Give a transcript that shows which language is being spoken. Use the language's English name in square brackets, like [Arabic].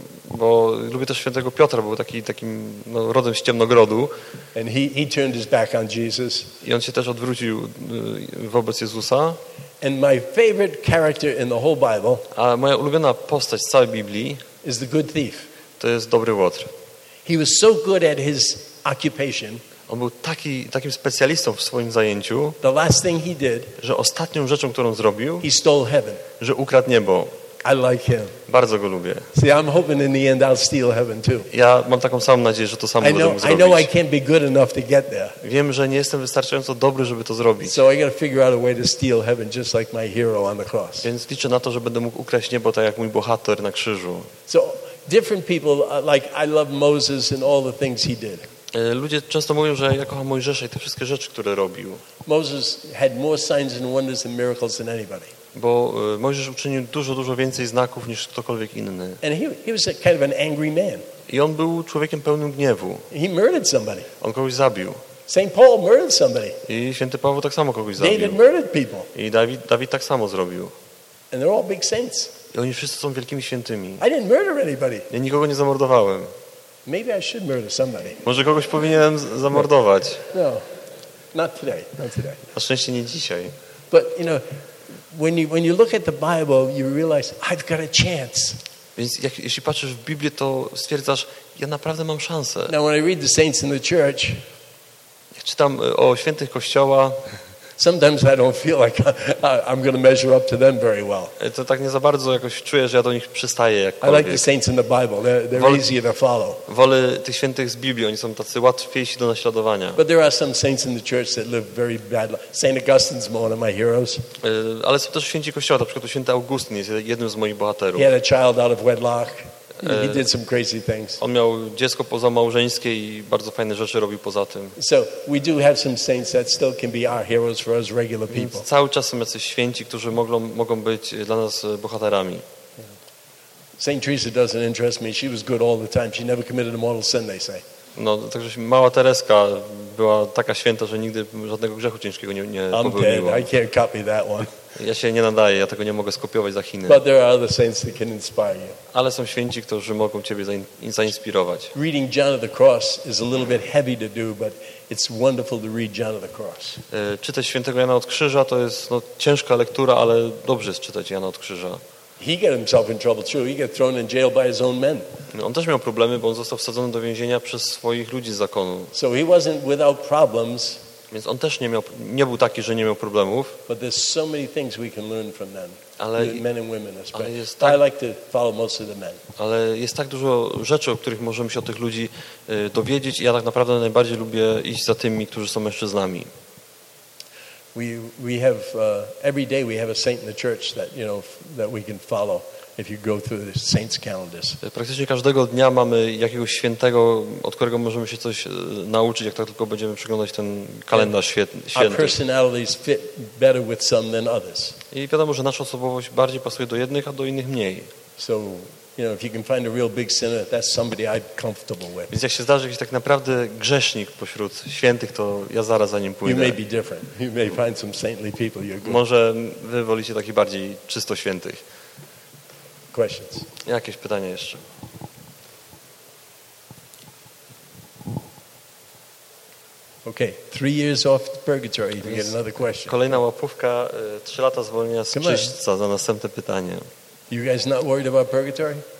[Polish] Bo lubię też świętego Piotra, bo był takim no, rodem z ciemnogrodu. [English] And he turned his back on Jesus. [Polish] I on się też odwrócił wobec Jezusa. [English] And my favorite character in the whole Bible. [Polish] A moja ulubiona postać z całej Biblii [English] is the good thief. [Polish] To jest dobry łotr. [English] He was so good at his occupation. [Polish] On był takim specjalistą w swoim zajęciu, [English] the last thing he did, [Polish] że ostatnią rzeczą, którą zrobił, [English] he stole heaven. [Polish] Że ukradł niebo. [English] I like him. [Polish] Bardzo go lubię. [English] See, I'm hoping in the end I'll steal heaven too. [Polish] Ja mam taką samą nadzieję, że to samo będę mógł zrobić. [English] I know I can't be good enough to get there. [Polish] Wiem, że nie jestem wystarczająco dobry, żeby to zrobić. [English] So I gotta figure out a way to steal heaven just like my hero on the cross. [Polish] Więc liczę na to, że będę mógł ukraść niebo tak jak mój bohater na krzyżu. [English] So different people like I love Moses and all the things he did. [Polish] Ludzie często mówią, że ja kocham Mojżesza i te wszystkie rzeczy, które robił. [English] Moses had more signs and wonders and miracles than anybody. [Polish] Bo Mojżesz uczynił dużo, dużo więcej znaków niż ktokolwiek inny. [English] And he was a kind of an angry man. [Polish] I on był człowiekiem pełnym gniewu. [English] He murdered somebody. [Polish] On kogoś zabił. [English] Saint Paul murdered somebody. [Polish] I święty Paweł tak samo kogoś [English] David [Polish] zabił. [English] David murdered people. [Polish] I Dawid tak samo zrobił. [English] And they're all big saints. [Polish] I oni wszyscy są wielkimi świętymi. [English] I didn't murder anybody. [Polish] Ja nikogo nie zamordowałem. [English] Maybe I should murder somebody. [Polish] Może kogoś powinienem zamordować. [English] No, not today. [Polish] Na szczęście nie dzisiaj. [English] But you know, when you look at the Bible, you realize I've got a chance. [Polish] Więc jeśli patrzysz w Biblię, to stwierdzasz, ja naprawdę mam szansę. [English] Now when I read the saints in the church, [Polish] jak czytam o świętych kościoła, [English] sometimes I don't feel like I'm going to measure up to them very well. [Polish] To tak nie za bardzo jakoś czuję, że ja do nich przystaję jakkolwiek. [English] I like the saints in the Bible. They're easier to follow. [Polish] Wolę tych świętych z Biblii. Oni są tacy łatwiejsi do naśladowania. [English] But there are some saints in the church that live very bad. Saint Augustine's one of my heroes. [Polish] Ale są też święci kościoła. Na przykład święty Augustyn jest jednym z moich bohaterów. [English] He had a child out of wedlock. He did some crazy things. [Polish] On miał dziecko pozamałżeńskie i bardzo fajne rzeczy robił poza tym. [English] So we do have some saints that still can be our heroes for us regular people. [Polish] Więc cały czas są jacyś święci, którzy mogą być dla nas bohaterami. [English] Saint Teresa doesn't interest me. She was good all the time. She never committed a mortal sin, they say. [Polish] No, także mała Tereska była taka święta, że nigdy żadnego grzechu ciężkiego nie popełniła. [English] I'm dead. I can't copy that one. [Polish] Ja się nie nadaję, ja tego nie mogę skopiować za Chiny. [English] But there are other saints that can inspire you. [Polish] Ale są święci, którzy mogą ciebie zainspirować. [English] Reading John of the Cross is a little bit heavy to do, but it's wonderful to read John of the Cross. [Polish] Czytać świętego Jana od Krzyża to jest no, ciężka lektura, ale dobrze jest czytać Jana od Krzyża. [English] He got himself in trouble too. He got thrown in jail by his own men. [Polish] On też miał problemy, bo on został wsadzony do więzienia przez swoich ludzi z zakonu. [English] So he wasn't without problems. [Polish] Więc on też nie był taki, że nie miał problemów. [English] But there's so many things we can learn from them. [Polish] Ale [English] men and women especially. I like to follow most of the men. [Polish] Ale jest tak dużo rzeczy, o których możemy się od tych ludzi dowiedzieć. Ja tak naprawdę najbardziej lubię iść za tymi, którzy są mężczyznami. [English] We have every day we have a saint in the church that you know that we can follow if you go through the saints calendars. [Polish] Praktycznie każdego dnia mamy jakiegoś świętego, od którego możemy się coś nauczyć, jak tak tylko będziemy przeglądać ten kalendarz święty. [English] Our personalities fit better with some than others. [Polish] I wiadomo, że nasza osobowość bardziej pasuje do jednych, a do innych mniej. [English] So You know, if you can find a real big sinner, that's somebody I'd comfortable with. [Polish] Więc jak się zdarzy jakiś tak naprawdę grzesznik pośród świętych, to ja zaraz za nim pójdę. [English] You may be different. You may find some saintly people. You're good. [Polish] Może wy wolicie takich bardziej czysto świętych. [English] Questions. [Polish] Jakieś pytania jeszcze? [English] Okay, 3 years off the purgatory. To get another question. [Polish] Kolejna łapówka, 3 lata zwolnienia z czyśćca za następne pytanie. [English] You guys not worried about purgatory?